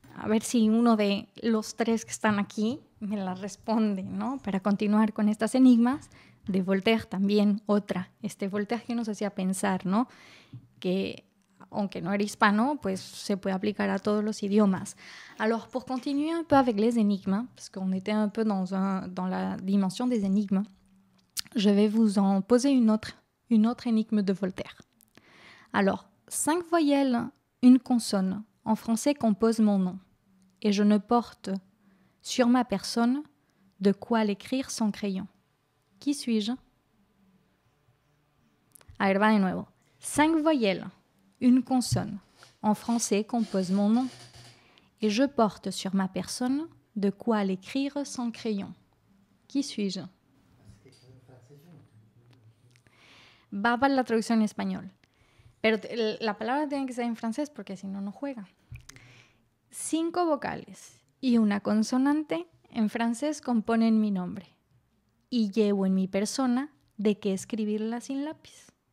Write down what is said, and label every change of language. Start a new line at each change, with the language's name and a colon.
Spanish: A ver si uno de los tres que están aquí me la responde, ¿no? Para continuar con estas enigmas, de Voltaire también, otra. Este Voltaire que nos hacía pensar, ¿no? Que aunque no era hispano, pues se puede aplicar a todos los idiomas.
French: Alors, pour continuer un peu avec les énigmes, parce qu'on était un peu dans la dimension des énigmes, je vais vous en poser une autre énigme de Voltaire. Alors, cinq voyelles, une consonne, en français compose mon nom, et je ne porte sur ma personne de quoi l'écrire sans crayon. Qui suis-je?
Spanish: A ver, va de nuevo.
French: Cinq voyelles, une consonne, en français compose mon nom, et je porte sur ma personne de quoi l'écrire sans crayon. Qui suis-je?
Spanish: Va para la traducción en español. Pero la palabra tiene que ser en francés porque si no, no juega. Cinco vocales y una consonante en francés componen mi nombre. Y llevo en mi persona de qué escribirla sin lápiz.